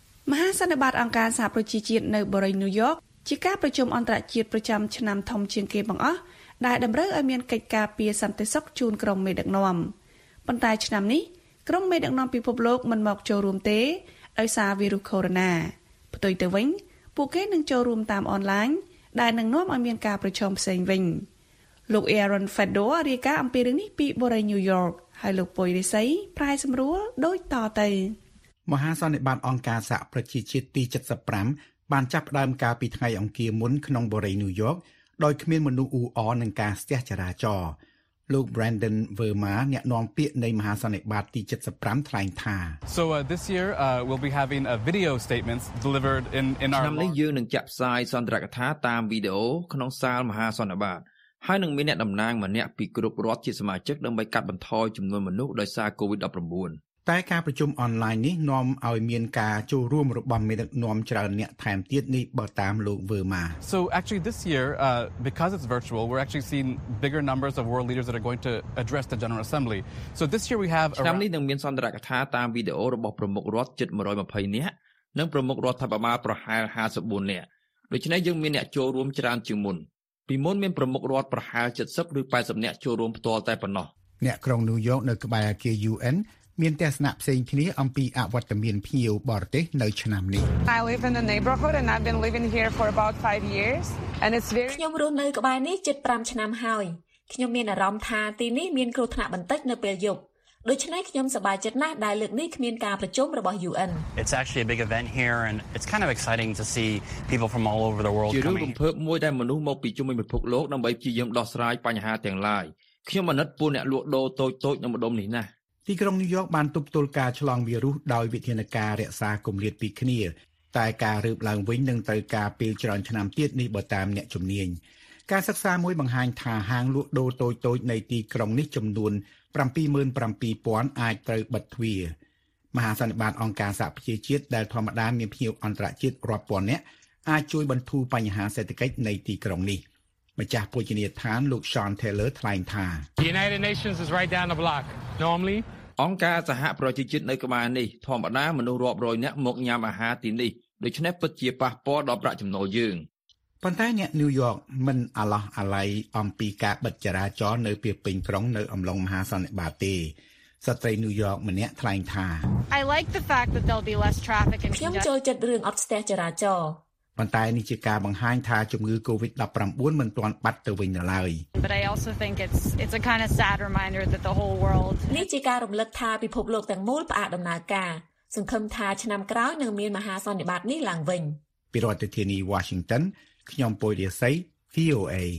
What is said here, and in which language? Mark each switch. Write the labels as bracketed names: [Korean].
[Khmer] មហាសន្និបាតអង្គការសហប្រជាជាតិនៅបូរីញូវយ៉កជាការប្រជុំអន្តរជាតិប្រចាំឆ្នាំធំជាងគេបង្អស់ដែលតម្រូវឲ្យមានកិច្ចការពារសន្តិសុខជូនក្រុមមេដឹកនាំប៉ុន្តែឆ្នាំនេះក្រុមមេដឹកនាំពិភពលោកមិនមកចូលរួមទេដោយសារវីរុសកូវីដ-19ផ្ទុយទៅវិញពួកគេនឹងចូលរួមតាមអនឡាញដែលនឹងនាំឲ្យមានការប្រជុំផ្សេងវិញលោក Aaron Fedor រាយការណ៍អំពីរឿងនេះពីបូរីញូវយ៉កហើយលោកពុយរិស័យប្រាយសម្រួលដូចតទៅ មហាសន្និបាតអង្គការសហប្រជាជាតិទី75បានចាប់ផ្ដើមការពីថ្ងៃអង្គារមុនក្នុងបូរីញូវយ៉កដោយគ្មានមនុស្សអ៊ូអរនឹងការស្ទះចរាចរណ៍លោក Brandon Verma អ្នកនាំពាក្យនៃមហាសន្និបាតទី75ថ្លែងថា [English] So this year we'll be having a video statements delivered in our [Khmer] ឆ្នាំនេះយើងនឹងចាក់ផ្សាយសន្ទរកថាតាមវីដេអូក្នុងសាលមហាសន្និបាតហើយនឹងមានអ្នកតំណាងម្នាក់ពីគ្រប់រដ្ឋជាសមាជិកដើម្បីកាត់បន្ថយចំនួនមនុស្សដោយសារ COVID-19 តែការប្រជុំអនឡាញនេះនាំឲ្យមានការចូលរួមរបស់មេដឹកនាំច្រើនអ្នកថែមទៀតនេះបើតាមលោកវើម៉ា [English] So actually this year because it's virtual we're actually seeing bigger numbers of world leaders that are going to address the General Assembly. So this year we have [Khmer] ឆ្នាំនេះនឹងមានសន្ទរកថាតាមវីដេអូរបស់ប្រមុខរដ្ឋជិត120នាក់និងប្រមុខរដ្ឋាភិបាលប្រហែល54នាក់ដូច្នេះយើងមានអ្នកចូលរួមច្រើនជាងមុនពីមុនមានប្រមុខរដ្ឋប្រហែល70ឬ80នាក់ចូលរួមផ្ទាល់តែប៉ុណ្ណោះ អ្នកក្រុងញូវយ៉កនៅក្បែរអគារ UNមានទស្សនៈផ្សេងគ្នាអំពីអវត្តមានភៀវបរទេសនៅឆ្នាំនេះ [English] I live in the neighborhood and I've been living here for about 5 years and it's very [Khmer] ខ្ញុំរស់នៅក្បែរនេះជិត5ឆ្នាំហើយខ្ញុំមានអារម្មណ៍ថាទីនេះមានគ្រោះថ្នាក់បន្តិចនៅពេលយប់ដូច្នេះខ្ញុំសប្បាយចិត្តណាស់ដែលលើកនេះគ្មានការប្រជុំរបស់ UN [English] It's actually a big event here and it's kind of exciting to see people from all over the world coming [Khmer] ជារូបភាពមួយដែលមនុស្សមកពីជុំវិញពិភពលោកដើម្បីជួយយើងដោះស្រាយបញ្ហាទាំងឡាយខ្ញុំអាណិតពួកអ្នកលក់ដូរតូចតូចនៅម្ដុំនេះណាស់ ទីក្រុងញូវយ៉កបានទប់ទល់ការឆ្លងវីរុសដោយវិធានការរក្សាគម្លាតពីគ្នាតែការរើបឡើងវិញនឹងត្រូវការពេលច្រើនឆ្នាំទៀតនេះបើតាមអ្នកជំនាញការសិក្សាមួយបង្ហាញថាហាងលក់ដូរតូចៗនៅទីក្រុងនេះចំនួន 77,000 អាចត្រូវបិទទ្វារមហាសន្និបាតអង្គការសហប្រជាជាតិដែលធម្មតាមានភ្ញៀវអន្តរជាតិរាប់ពាន់នាក់អាចជួយបន្ធូរបញ្ហាសេដ្ឋកិច្ចនៃទីក្រុងនេះម្ចាស់ភោជនីយដ្ឋានលោក Sean Taylor ថ្លែងថា [English] The United Nations is right down the block normally [Khmer] អង្គការសហប្រជាជាតិនៅក្បាលនេះធម្មតាមនុស្សរាប់រយនាក់មកញ៉ាំអាហារទីនេះដូច្នេះពិតជាប៉ះពាល់ដល់ប្រាក់ចំណូលយើង ប៉ុន្តែអ្នកញូវយ៉កមិនអាឡោះអាឡ័យអំពីការបិទចរាចរណ៍នៅពេលពេញក្រុងនៅអំឡុងមហាសន្និបាតទេស្ត្រីញូវយ៉កម្នាក់ថ្លែងថា [English] I like the fact that there'll be less traffic [Khmer] ខ្ញុំចូលចិត្តរឿងអត់ស្ទះចរាចរណ៍ ប៉ុន្តែនេះជាការបង្ហាញថាជំងឺ COVID-19 មិនទាន់បាត់ទៅវិញឡើយ [English] But I also think it's a kind of sad reminder that the whole world [Khmer] នេះជាការរំលឹកថាពិភពលោកទាំងមូលផ្អាកដំណើរការសង្ឃឹមថាឆ្នាំក្រោយនឹងមានមហាសន្និបាតនេះឡើងវិញ ពីរដ្ឋធានី Washington ខ្ញុំពុយរិស័យ VOA